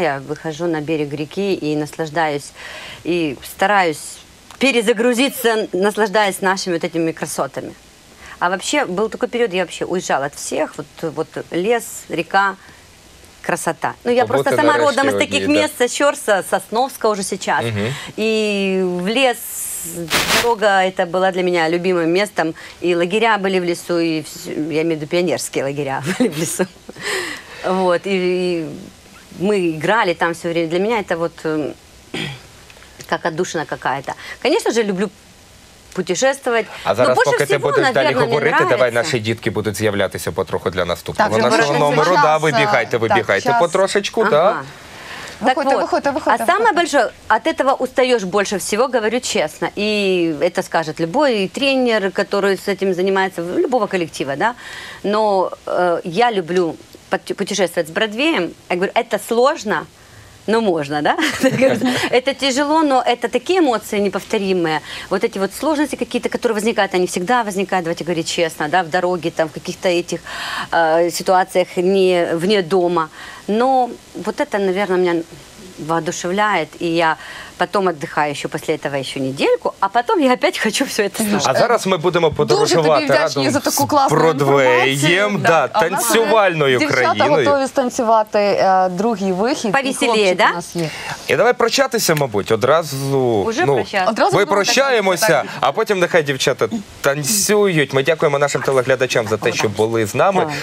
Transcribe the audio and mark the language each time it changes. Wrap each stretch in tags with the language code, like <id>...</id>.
<uk>Я виходжу на берег ріки і наслаждаюсь, і стараюсь перезагрузитися,</uk> <ru>наслаждаюсь нашими вот этими красотами.</ru> <uk>А взагалі, був такий період, я взагалі уїжджала від всіх. От ліс, ріка, красота. Ну, я просто сама родом з таких міст, да. Щорса, Сосновська вже зараз. Угу. І в ліс, дорога</uk> <ru>это была для меня любимым местом, и лагеря были в лесу, и все, я имею в виду пионерские лагеря были в лесу. Вот, и мы играли там все время. Для меня это вот как отдушина какая-то. Конечно же, люблю путешествовать.</ru> <uk>А зараз, поки ти будеш далі говорити, давай наші дітки будуть з'являтися потроху для наступного нашого номеру. Да, вибігайте так, потрошечку, ага. Так.</uk> <ru>Так выходите, вот, выходите. А самое большое, от этого устаешь больше всего, говорю честно. И это скажет любой тренер, который с этим занимается, любого коллектива, да. Но я люблю путешествовать с Бродвеем. Я говорю, это сложно, но можно, да. Это тяжело, но это такие эмоции неповторимые. Вот эти вот сложности какие-то, которые возникают, они всегда возникают, давайте говорить честно, да, в дороге, там, в каких-то этих ситуациях не вне дома. Но вот это, наверное, у меня воодушевляет, и я потом отдыхаю еще после этого еще недельку, а потом я опять хочу все это слушать.</ru> <uk>А зараз</uk> <ru>мы будем</ru> <uk>подорожувати разом за таку класну Бродвеєм, да, танцювальною країною. Дівчата готові станцювати другий вихід. Повеселіє, да? І давай прощатися, мабуть, одразу. Уже ну, одразу ми прощаємося, а потім нехай дівчата танцюють. Ми дякуємо нашим телеглядачам за те, що були з нами.</uk>